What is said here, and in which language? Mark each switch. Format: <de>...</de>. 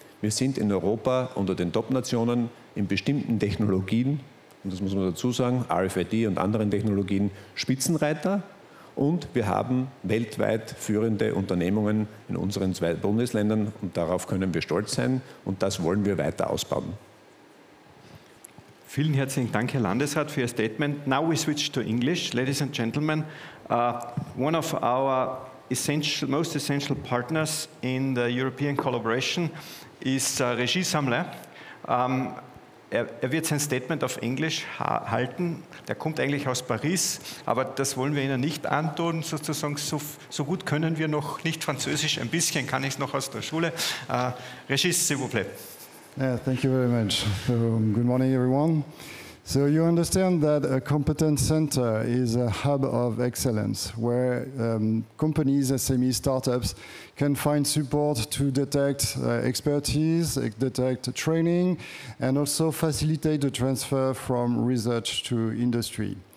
<de>Wir sind in Europa unter den Top-Nationen in bestimmten Technologien, und das muss man dazu sagen, RFID und anderen Technologien, Spitzenreiter. Und wir haben weltweit führende Unternehmungen in unseren zwei Bundesländern. Und darauf können wir stolz sein. Und das wollen wir weiter ausbauen. Vielen herzlichen Dank, Herr Landesrat,</de> <en>for your statement. Now we switch to English. Ladies and gentlemen, one of our essential, most essential partners in the European collaboration is Regie Samler.</en> <de>Er wird sein Statement auf Englisch halten. Der kommt eigentlich aus Paris, aber das wollen wir Ihnen nicht antun. Sozusagen so gut können wir noch nicht Französisch. Ein bisschen kann ich es noch aus der Schule.</de> <fr>Regie, s'il vous plaît.</fr> <en>Yeah, thank you very much. So, good morning, everyone. So you understand that a competence center is a hub of excellence where companies, SMEs, startups can find support to detect expertise, detect training, and also facilitate the transfer from research to industry.</en>